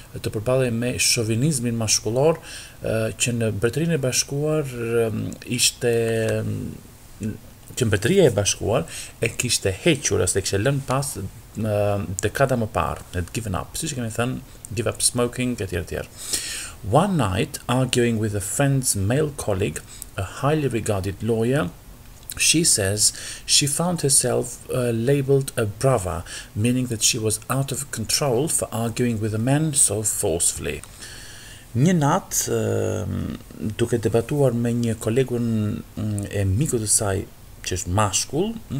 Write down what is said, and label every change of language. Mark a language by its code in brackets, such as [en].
[sq] përballej me shovinizmin maskullor që në Mbretërinë e Bashkuar ishte që Mbretëria e Bashkuar e kishte hequr ose e kishte lënë pas dekada më parë, had given up, siç kemi thënë, give up smoking etj etj. [en] One night arguing with a friend's male colleague, a highly regarded lawyer, she says she found herself labeled a brava, meaning that she was out of control for arguing with a man so forcefully. [sq] Një nat, duke debatuar me një kolegun e miku të saj që është mashkull,